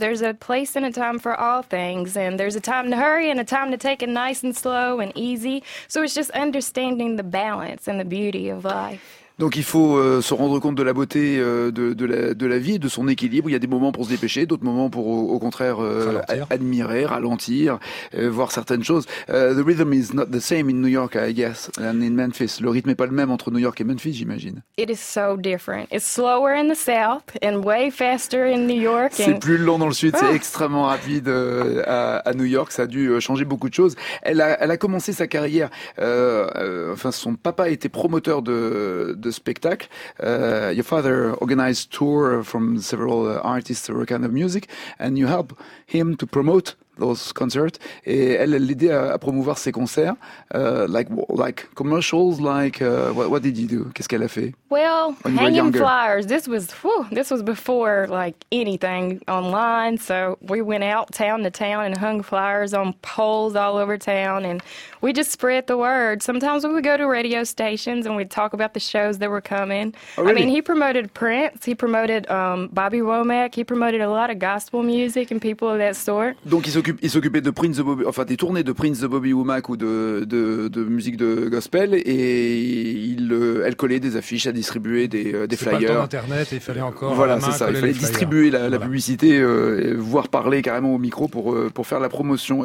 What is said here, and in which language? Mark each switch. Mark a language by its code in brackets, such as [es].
[en] There's a place and a time for all things. And there's a time to hurry and a time to take it nice and slow and easy. So it's just understanding the balance and the beauty of life. [fr] Donc il faut se rendre compte de la beauté de la vie, de son équilibre. Il y a des moments pour se dépêcher, d'autres moments pour au contraire admirer, ralentir, voir certaines choses. [en] The rhythm is not the same in New York, I guess, than in Memphis. [fr] Le rythme n'est pas le même entre New York et Memphis, j'imagine. [en] It is so different. It's slower in the south and way faster in New York. [fr] C'est plus lent dans le sud, c'est extrêmement rapide à New York. Ça a dû changer beaucoup de choses. Elle a commencé sa carrière, son papa était promoteur de spectacle. [en] Your father organized tour from several artists or kind of music, and you help him to promote those concerts. [fr] Et elle l'aidait à promouvoir ses concerts, [en] like commercials, like what did you do? [fr] Qu'est-ce qu'elle a fait? [en] Well, hanging flyers. This was before like anything online. So we went out town to town and hung flyers on poles all over town, and we just spread the word. Sometimes we would go to radio stations and we'd talk about the shows that were coming. Oh, really? I mean, he promoted Prince. He promoted Bobby Womack. He promoted a lot of gospel music and people of that sort. [fr] Donc il s'occupait de Prince, des tournées de Prince, de Bobby Womack ou de musique de gospel, et elle collait des affiches, elle distribuait des flyers. C'est pas le temps d'internet, il fallait encore. Voilà, la main, c'est ça. Il fallait distribuer la publicité, voire parler carrément au micro pour faire la promotion.